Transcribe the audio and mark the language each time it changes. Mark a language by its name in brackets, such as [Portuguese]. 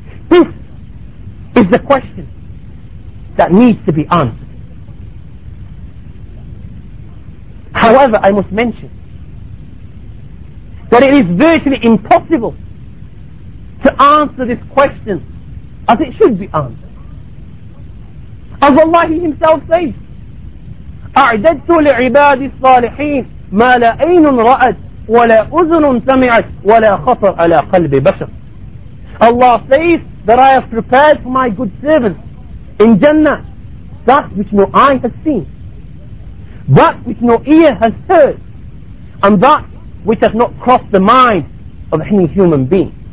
[English] This is the question that needs to be answered. However, I must mention that it is virtually impossible to answer this question as it should be answered. As Allah himself says, [Arabic] أعددت لعباد الصالحين ما لا عين رأت ولا أذن سمعت ولا خطر على قلب بشر. [English] Allah says that I have prepared for my good servants in Jannah that which no eye has seen, that which no ear has heard, and that which has not crossed the mind of any human being.